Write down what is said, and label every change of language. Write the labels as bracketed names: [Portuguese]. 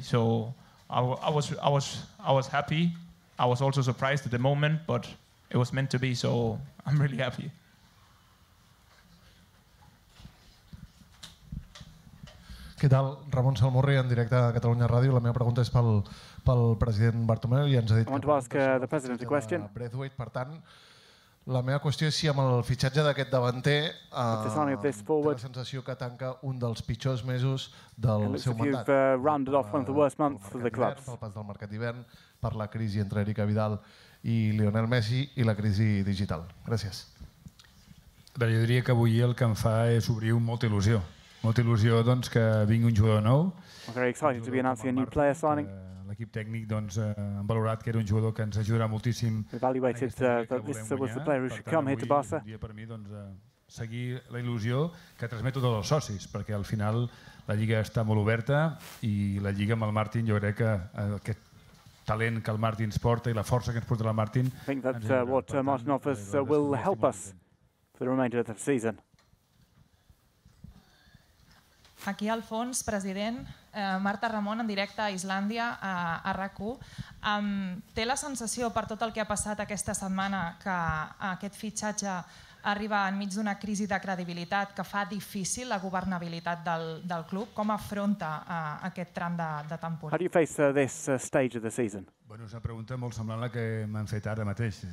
[English] So I was happy. I was also surprised at the moment, but it was meant to be, so I'm really happy. [Catalan] Què tal? Ramon Salmorri, en directe a Catalunya Ràdio. La meva pregunta és pel president Bartomeu, i ens ha dit... [English] I want to ask the president a question. [Catalan] Braithwaite, per tant, la meva qüestió és si amb el fitxatge d'aquest davanter [English] forward, [Catalan] té la sensació que tanca un dels pitjors mesos del seu mandat. [English] You've rounded off one of the worst months for the clubs. [Catalan] Pel pas del mercat d'hivern, per la crisi entre Erika Vidal i Lionel Messi i la crisi digital. Gràcies. Bé, jo diria que avui el que em fa és obrir molta il·lusió. Molta il·lusió, doncs, que vingui un jugador nou. [English] I'm very excited to be announcing a new player signing. [Catalan] L'equip tècnic, doncs, ha valorat que era un jugador que ens ajudarà moltíssim. [English] Evaluated that this was the player who should come here to Barça. [Catalan] Per mi, doncs, seguir la il·lusió que transmeto tots els socis, perquè al final la Lliga està molt oberta, i la Lliga amb el Martin, jo crec que aquest talent que el Martin ens porta i la força que ens porta el Martin... [English] I think that what Martin offers will help us for the remainder of the season. [Catalan] Aquí al fons, president, Marta Ramon, en directe a Islàndia, a RAC1. Té la sensació, per tot el que ha passat aquesta setmana, que aquest fitxatge arriba enmig d'una crisi de credibilitat que fa difícil la governabilitat del club? Com afronta aquest tram de temporada? [English] How do you face this stage of the season? [Catalan] Bueno, és una pregunta molt semblant a la que m'han fet ara mateix.